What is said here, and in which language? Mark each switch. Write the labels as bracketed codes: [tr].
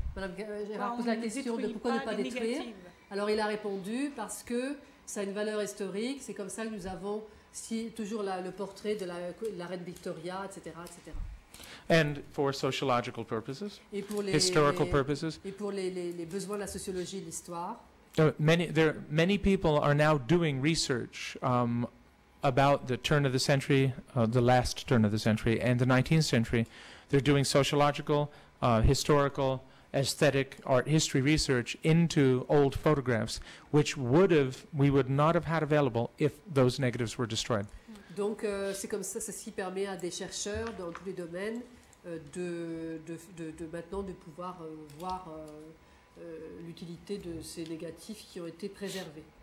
[fr] Madame Gérard pose la question de pourquoi ne pas détruire. Alors, il a répondu parce que ça a une valeur historique. C'est comme ça que nous avons toujours le portrait de la reine Victoria, etc., etc. [en] And for sociological purposes, [fr] et pour [en] historical purposes, [fr] et pour les besoins de la sociologie et de l'histoire. [en] Many people are now doing research about the turn of the century, the last turn of the century, and the 19th century. They're doing sociological, historical, aesthetic, art history research into old photographs, which we would not have had available if those negatives were destroyed. [fr] Donc, c'est comme ça, c'est ce qui permet à des chercheurs dans tous les domaines de maintenant de pouvoir voir l'utilité de ces négatifs qui ont été préservés.